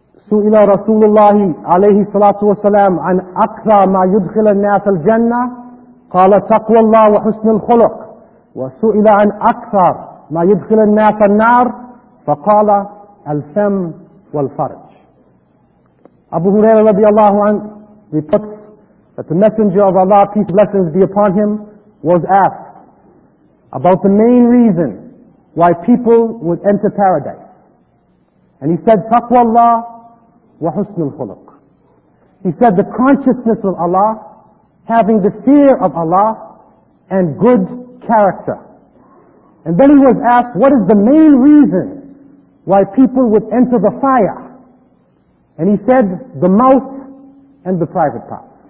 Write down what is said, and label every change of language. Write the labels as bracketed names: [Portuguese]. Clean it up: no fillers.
[Arabic] سُئِلَ رَسُولُ اللَّهِ عَلَيْهِ الصَّلَاةُ وَالسَّلَامُ عَنْ أَكْثَى مَا يُدْخِلَ النَّاسَ الْجَنَّةِ قَالَ تَقْوَى اللَّهِ وَحُسْنُ الْخُلُقِ وَسُئِلَ عَنْ أَكْثَى مَا يُدْخِلَ النَّاسَ النَّارِ فَقَالَ الْفَمْ وَالْفَرْجِ [English] Abu Hurairah radiallahu anhu reports that the Messenger of Allah, peace and blessings be upon him, was asked, about the main reason why people would enter paradise. And he said, [Arabic] تَقْوَى اللَّهِ وَحُسْنُ الْخُلُقِ. [English] He said, the consciousness of Allah, having the fear of Allah, and good character. And then he was asked, what is the main reason why people would enter the fire? And he said, the mouth and the private part.